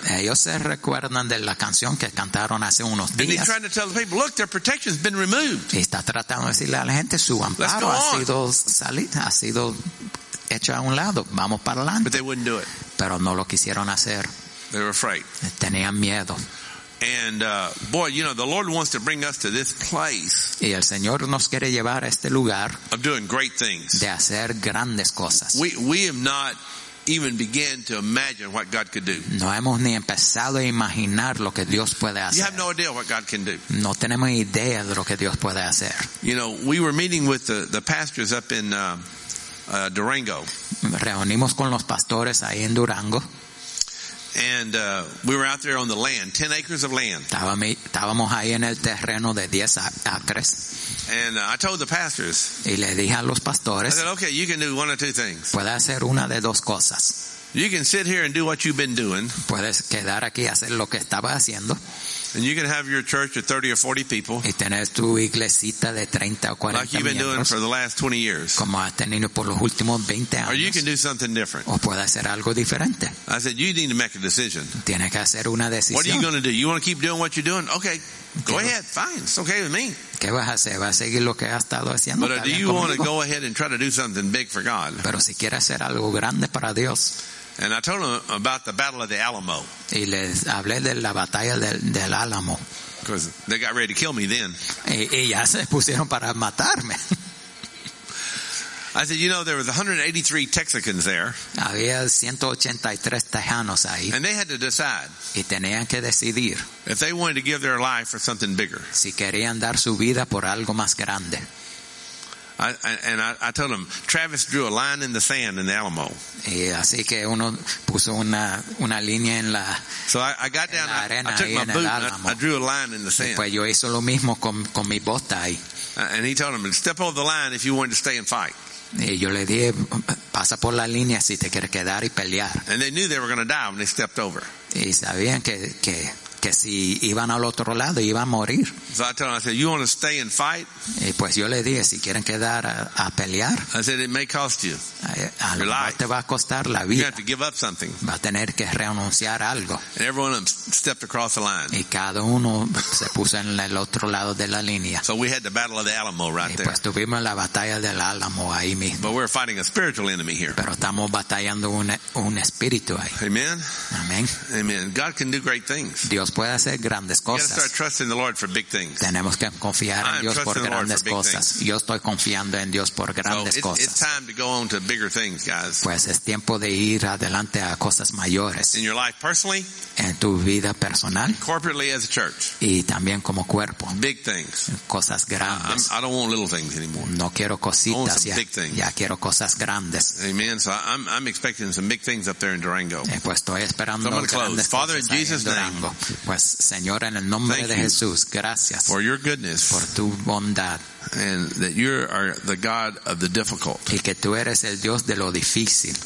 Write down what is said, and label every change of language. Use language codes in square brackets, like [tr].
[es] Ellos se recuerdan de la canción que cantaron hace unos días. [en] And he's trying to tell the people, look, their protection has been removed. [es] Y está tratando de decirle a la gente, su amparo ha sido salido, ha sido hecho a un lado, vamos para adelante. [en] But they wouldn't do it. [es] Pero no lo quisieron hacer. [en] They were afraid. [es] Tenían miedo. [en] And boy, you know, the Lord wants to bring us to this place. [es] Y el Señor nos quiere llevar a este lugar. [en] Of doing great things. [es] De hacer grandes cosas. [en] We have not even begun to imagine what God could do. [es] No hemos ni empezado a imaginar lo que Dios puede hacer. [en] You have no idea what God can do. [es] No tenemos idea de lo que Dios puede hacer. [en] You know, we were meeting with the pastors up in Durango. [es] Reunimos con los pastores ahí en Durango. [en] And we were out there on the land, 10 acres of land. [es] Estábamos ahí en el terreno de 10 acres. [en] And I told the pastors. [es] Y le dije a los pastores. [en] I said, okay, you can do one of two things. [es] Puede hacer una de dos cosas. [en] You can sit here and do what you've been doing. [es] Puedes quedar aquí y hacer lo que estaba haciendo. [en] And you can have your church of 30 or 40 people. [es] Y tener tu iglesita de 30 o 40 [en] like you've been [es] miembros, [en] doing for the last 20 years. [es] Como has tenido por los últimos 20 años. [en] Or you can do something different. [es] O puede hacer algo diferente. [en] I said, you need to make a decision. [es] Tiene que hacer una decisión. [en] What are you going to do? You want to keep doing what you're doing? Okay, go ahead. Fine. It's okay with me. [es] ¿Qué vas a hacer? ¿Vas a seguir lo que has estado haciendo? [en] But do you want to go ahead and try to do something big for God? [es] Pero si quieres hacer algo grande para Dios. [en] And I told him about the Battle of the Alamo. [es] Y les hablé de la batalla del Álamo. [en] Because they got ready to kill me then. [es] Y ya se pusieron para matarme. [en] I said, you know, there was 183 Texicans there. [es] Había 183 tejanos ahí. [en] And they had to decide. [es] Y tenían que decidir. [en] If they wanted to give their life for something bigger. [es] Si querían dar su vida por algo más grande. [en] I told him Travis drew a line in the sand in the Alamo. [es] Y así que uno puso una línea en la [en] so I got down, [es] la arena [en] I took [es] ahí [en] my [es] en [en] boot [es] el Alamo. [en] I drew a line in the sand. [es] Y pues yo hizo lo mismo con mi bota ahí. [en] And he told him step over the line if you wanted to stay and fight. [es] Y yo le dije pasa por la línea si te quieres quedar y pelear. [en] And they knew they were going to die when they stepped over. [es] Y sabían que si iban al otro lado iban a morir. [en] So I told him, I said, you want to stay and fight? [es] Y pues yo le dije, si quieren quedar a pelear. [en] I said, it may cost you. [es] A lo mejor te va a costar la vida. [en] You have to give up something. [es] Va a tener que renunciar algo. [en] And everyone of them stepped across the line. [es] Y cada uno se puso en el otro lado de la línea. [en] So we had the Battle of the Alamo right there. [es] Y pues tuvimos la batalla del Álamo ahí mismo. [en] But we're fighting a spiritual enemy here. [es] Pero estamos batallando un espíritu ahí. [en] Amen. [es] Amen. [en] Amen. God can do great things. [es] Dios puede hacer grandes cosas. Tenemos que confiar en Dios por grandes cosas. Yo estoy confiando en Dios por grandes cosas. [en] It's time to go on to bigger things, guys. [es] Pues es tiempo de ir adelante a cosas mayores. [en] In your life personally, [es] en tu vida personal, [en] corporately as a church, [es] y también como cuerpo. [en] Big things. [es] Cosas grandes. [en] I don't want little things anymore. [es] No quiero cositas ya. [en] Big things. [es] Ya quiero cosas grandes. [en] Amen. So I'm expecting some big things up there in Durango. [es] Pues estoy esperando grandes cosas. [en] Father, in Jesus' name. [es] Pues, Señor, en el nombre de Jesús, gracias. [en] For your goodness. [es] Por tu bondad. [en] And that you are the God of the difficult. [es] Y que tú eres el Dios de lo difícil.